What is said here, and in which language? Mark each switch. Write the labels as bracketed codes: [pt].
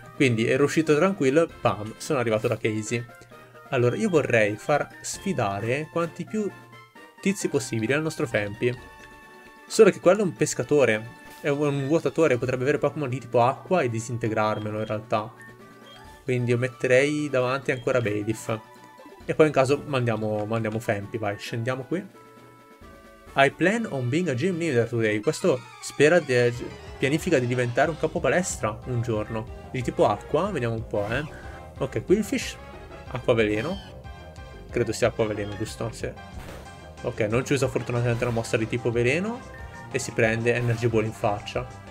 [it] Quindi ero uscito tranquillo, pam, sono arrivato da Casey. Allora, io vorrei far sfidare quanti più tizi possibili al nostro Fempi. Solo che quello è un pescatore, è un vuotatore, potrebbe avere Pokémon di tipo acqua e disintegrarmelo in realtà. Quindi io metterei davanti ancora Bailiff. E poi in caso mandiamo Fempi, vai, scendiamo qui. [en] I plan on being a gym leader today. [it] Questo spera, pianifica di diventare un capo palestra un giorno. Di tipo acqua, vediamo un po', Ok, Quillfish, acqua veleno. Credo sia acqua veleno, giusto? Sì. Ok, non ci usa fortunatamente una mossa di tipo veleno e si prende Energy Ball in faccia.